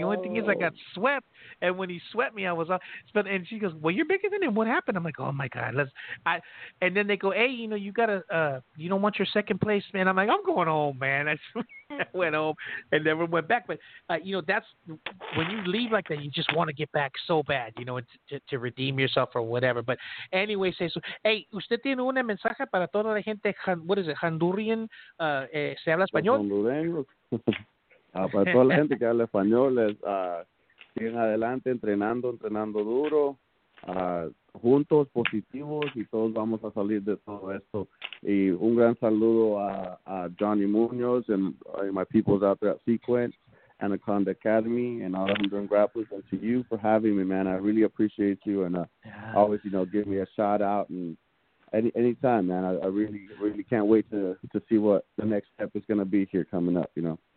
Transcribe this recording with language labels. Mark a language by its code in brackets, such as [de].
[en] The only thing is I got swept, and when he swept me, I was off. And she goes, well, you're bigger than him. What happened? I'm like, oh, my God. And then they go, hey, you don't want your second place, man. I'm like, I'm going home, man. I went home and never went back. But, that's when you leave like that, you just want to get back so bad, to redeem yourself or whatever. But anyway, say so. [es] Hey, usted tiene un mensaje para toda la gente. [en] What is it? Honduran? [es] ¿Se habla español? Hondureños. Para toda la gente que habla español, siguen adelante entrenando duro. Juntos, positivos, y todos vamos a salir de todo esto. Y un gran saludo a [en] Johnny Munoz and my peoples out there at Sequence, Anaconda Academy, and all the Honduran Grapplers, and to you for having me, man. I really appreciate you, and always, give me a shout out and anytime, man. I really, really can't wait to see what the next step is going to be here coming up, you know.